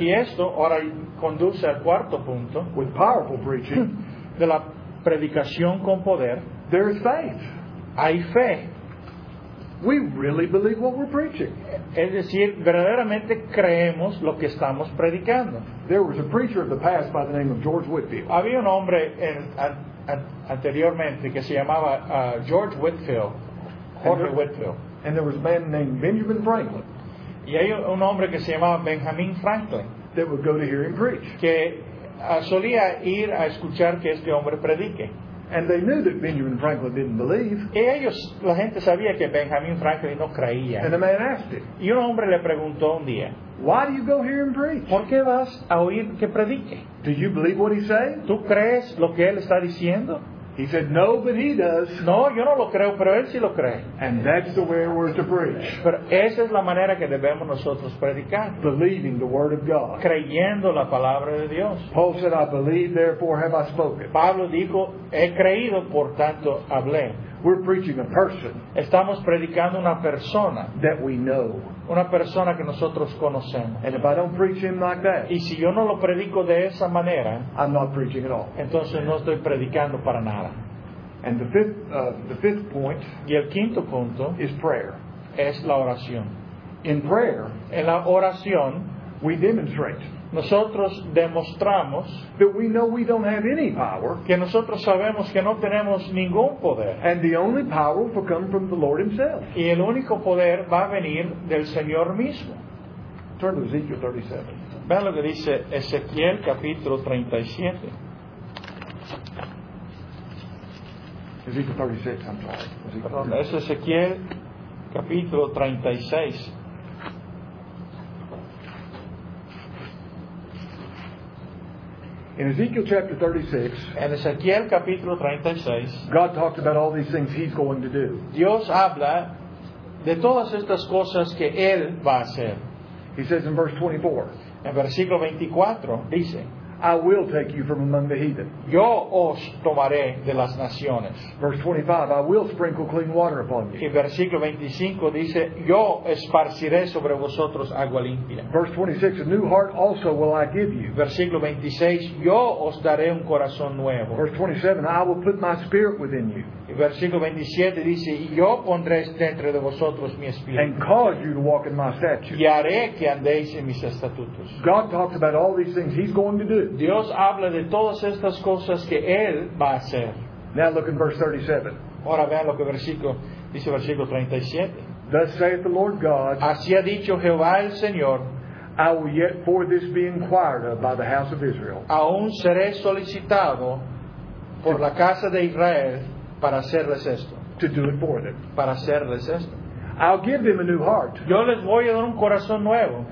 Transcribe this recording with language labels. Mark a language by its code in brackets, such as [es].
[es] Y esto ahora conduce al cuarto punto. [en] With powerful preaching. [es] De la predicación con poder. [en] There is faith. [es] Hay fe. [en] We really believe what we're preaching. [es] Es decir, verdaderamente creemos lo que estamos predicando. [en] There was a preacher of the past by the name of George Whitfield. [es] Había un hombre anteriormente que se llamaba George Whitfield. [en] Whitfield. And there was a man named Benjamin Franklin. [es] Y hay un hombre que se llamaba Benjamin Franklin. [en] That would go to hear him preach. [es] Que solía ir a escuchar que este hombre predique. [en] And they knew that Benjamin Franklin didn't believe. [es] Y ellos, la gente sabía que Benjamin Franklin no creía. [en] And a man asked him. [es] Y un hombre le preguntó un día. [en] Why do you go hear him preach? [es] ¿Por qué vas a oír que predique? [en] Do you believe what he's saying? [es] ¿Tú crees lo que él está diciendo? [en] He said, no, but he does. [es] No, yo no lo creo, pero él sí lo cree. [en] And that's the way we're to preach. [es] Pero esa es la manera que debemos nosotros predicar. [en] Believing the word of God. [es] Creyendo la palabra de Dios. [en] Paul said, I believe, therefore have I spoken. [es] Pablo dijo, he creído, por tanto hablé. [en] We're preaching a person. [es] Estamos predicando una persona. [en] That we know. [es] Una persona que nosotros conocemos. [en] And if I don't preach him like that, [es] y si yo no lo predico de esa manera, [en] I'm not preaching at all. [es] Entonces no estoy predicando para nada. [en] And the fifth point, [es] y el quinto punto, [en] is prayer. [es] Es la oración. [en] In prayer, [es] en la oración, [en] we demonstrate. [es] Nosotros demostramos [en] that we know we don't have any power, [es] que nosotros sabemos que no tenemos ningún poder. [en] And the only power will come from the Lord himself. [es] Y el único poder va a venir del Señor mismo. [en] Turn to Ezekiel 37. [es] Vean lo que dice Ezequiel capítulo 37. [en] Ezekiel 36, I'm sorry. [es] Es Ezequiel capítulo 36. [en] In Ezekiel chapter 36, [es] en Ezequiel capítulo 36, [en] God talks about all these things He's going to do. [es] Dios habla de todas estas cosas que Él va a hacer. [en] He says in verse 24, [es] en versículo 24, dice, [en] I will take you from among the heathen. [es] Yo os tomaré de las naciones. [en] Verse 25, I will sprinkle clean water upon you. [es] Y versículo 25 dice, yo esparciré sobre vosotros agua limpia. [en] Verse 26, a new heart also will I give you. [es] Versículo 26, yo os daré un corazón nuevo. [en] Verse 27, I will put my spirit within you. [es] Y versículo 27 dice, y yo pondré dentro de vosotros mi espíritu. [en] And cause you to walk in my statutes. [es] Y haré que andéis en mis estatutos. [en] God talks about all these things He's going to do. [es] Dios habla de todas estas cosas que Él va a hacer. [en] Now look in verse 37. [es] Ahora vean lo que versículo, dice versículo 37. [en] Thus saith the Lord God. [es] Así ha dicho Jehová el Señor. [en] I will yet for this be inquired of by the house of Israel. [es] Aún seré solicitado por la casa de Israel para hacerles esto. [en] To do it for them. [es] Para hacerles esto. [en] I'll give them a new heart. [es] Yo les voy a dar un corazón nuevo.